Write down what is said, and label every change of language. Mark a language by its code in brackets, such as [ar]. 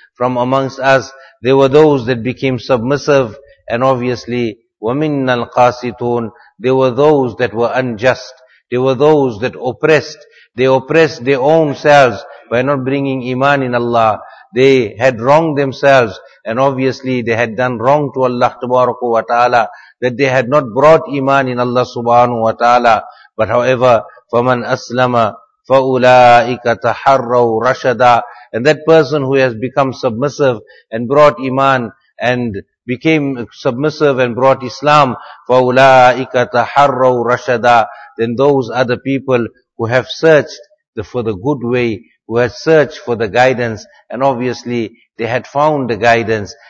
[en] From amongst us, there were those that became submissive, and obviously, [ar] wa minnal qasitun, [en] there were those that were unjust, there were those that oppressed. They oppressed their own selves by not bringing iman in Allah. They had wronged themselves, and obviously they had done wrong to Allah tabaraka wa ta'ala, that they had not brought iman in Allah subhanahu wa ta'ala. But however, [ar] فَمَنْ أَسْلَمَ فَأُولَٰئِكَ تَحَرَّوْا رَشَدًا. [en] And that person who has become submissive and brought iman and became submissive and brought Islam, [ar] فَأُولَٰئِكَ تَحَرَّوْا رَشَدًا. [en] Then those are the people who have searched for the good way, who had searched for the guidance, and obviously they had found the guidance.